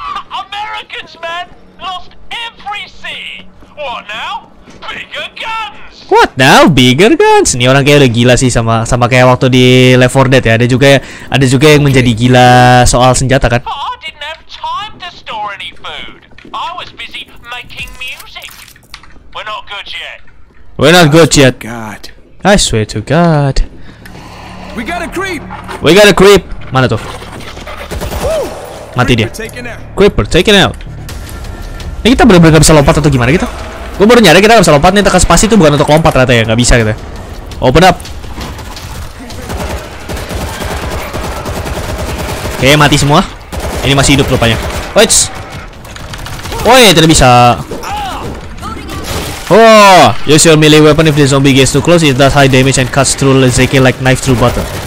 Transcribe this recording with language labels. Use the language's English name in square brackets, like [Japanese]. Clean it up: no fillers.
[English] Americans, man, lost every sea. What now? Bigger guns. What now? Bigger guns. [Indonesian] Ini orang kayak udah gila sih sama kayak waktu di Left 4 Dead ya. Ada juga yang menjadi gila soal senjata kan. [English] I didn't have time to store any food. I was busy making music. We're not good yet. We're not good yet. God. I swear to God. We got a creep. We got a creep. [Indonesian] Mana tuh? Mati dia. [English] Creeper taken out. [Indonesian] Ini kita benar-benar enggak bisa lompat atau gimana kita? Gua baru nyadar kita enggak bisa lompat nih, tekan spasi itu bukan untuk lompat ternyata ya, enggak bisa kita. [English] Open up. [Indonesian] Oke, okay, mati semua. Ini masih hidup rupanya. Wait. Woi, tidak bisa. [English] Oh, use your melee weapon if the zombie gets too close. It does high damage and cuts through Zeki like knife through butter.